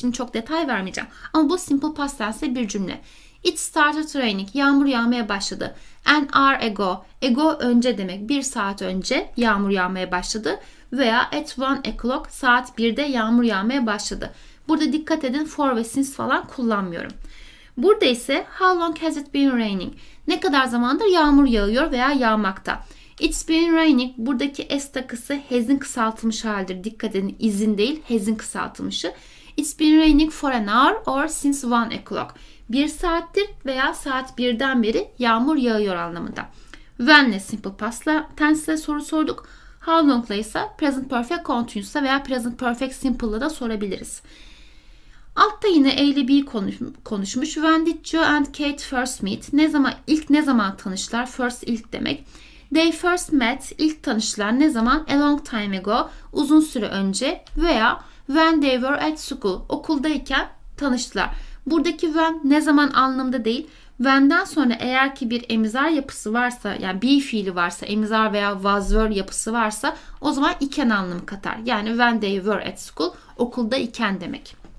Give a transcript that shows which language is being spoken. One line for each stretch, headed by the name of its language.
Turkish: Şimdi çok detay vermeyeceğim. Ama bu simple past tense'de bir cümle.
English: It started raining.
Turkish: Yağmur yağmaya başladı.
English: An hour ago.
Turkish: Ago önce demek. Bir saat önce yağmur yağmaya başladı. Veya
English: at 1 o'clock.
Turkish: Saat 1'de yağmur yağmaya başladı. Burada dikkat edin, for ve since falan kullanmıyorum. Burada ise
English: how long has it been raining?
Turkish: Ne kadar zamandır yağmur yağıyor veya yağmakta?
English: It's been raining.
Turkish: Buradaki s takısı has'in kısaltılmış halidir. Dikkat edin, is'in değil, has'in kısaltılmışı.
English: It's been raining for an hour or since 1 o'clock.
Turkish: Bir saattir veya saat 1'den beri yağmur yağıyor anlamında. When ile simple past tense'le soru sorduk. How long ile ise present perfect continuous'la veya present perfect simple'la da sorabiliriz. Altta yine A ile B konuşmuş.
English: When did Joe and Kate first meet?
Turkish: Ne zaman, ilk ne zaman tanıştılar? First ilk demek.
English: They first met,
Turkish: ilk tanıştılar ne zaman? A long time ago, uzun süre önce. Veya when they were at school, okuldayken tanıştılar. Buradaki when ne zaman anlamda değil. When'den sonra eğer ki bir emizar yapısı varsa, yani be fiili varsa, emizar veya was were yapısı varsa, o zaman iken anlamı katar. Yani
English: when they were at school,
Turkish: okulda iken demek.